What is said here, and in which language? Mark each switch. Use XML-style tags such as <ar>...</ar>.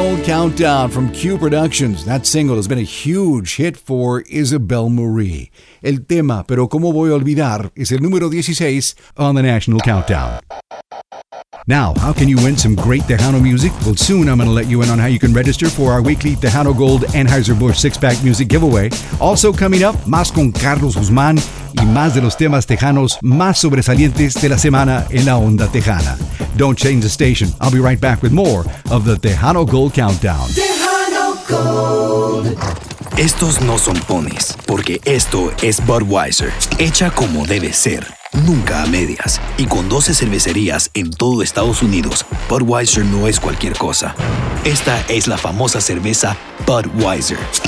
<en>Countdown from Q Productions. That single has been a huge hit for Isabel Marie.</en> <es>El tema,</es> <en>Pero Cómo Voy a Olvidar, is</en> <es>el número</es> <en>16 on the National Countdown. Now, how can you win some great Tejano music? Well, soon I'm going to let you in on how you can register for our weekly Tejano Gold Anheuser-Busch six-pack music giveaway. Also coming up,</en> <es>Más con Carlos Guzmán y más de los temas tejanos más sobresalientes de la semana en la Onda Tejana.</es> <en>Don't change the station. I'll be right back with more of the Tejano Gold Countdown. Tejano Gold.</en> <es>Estos no son ponis, porque esto es Budweiser, hecha como debe ser. Nunca a medias. Y con 12 cervecerías en todo Estados Unidos, Budweiser no es cualquier cosa. Esta es la famosa cerveza Budweiser.</es>